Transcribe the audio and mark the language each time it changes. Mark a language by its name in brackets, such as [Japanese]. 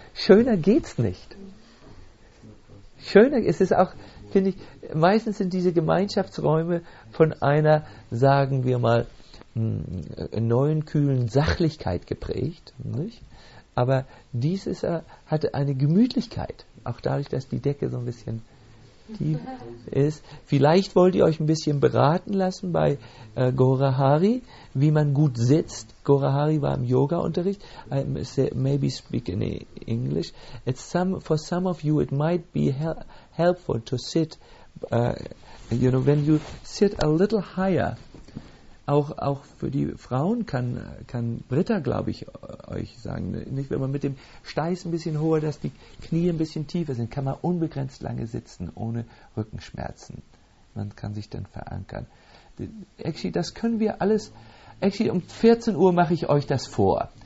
[German] Schöner geht's nicht. Schöner ist es auch, finde ich, meistens sind diese Gemeinschaftsräume von einer, sagen wir mal, neuen, kühlen Sachlichkeit geprägt. Nicht? Aber dies ist, hatte eine Gemütlichkeit, auch dadurch, dass die Decke so ein bisschen tief ist. Vielleicht wollt ihr euch ein bisschen beraten lassen bei Gaurahari, wie man gut sitzt. Gaurahari war im Yoga-Unterricht. [English] I maybe speak in English. It's some, for some of you it might be helpful to sit, you know, when you sit a little higher. [German] Auch für die Frauen kann Britta, glaube ich, euch sagen, nicht, wenn man mit dem Steiß ein bisschen höher, dass die Knie ein bisschen tiefer sind, kann man unbegrenzt lange sitzen, ohne Rückenschmerzen. Man kann sich dann verankern. Actually, das können wir alles, actually, um 14 Uhr mache ich euch das vor.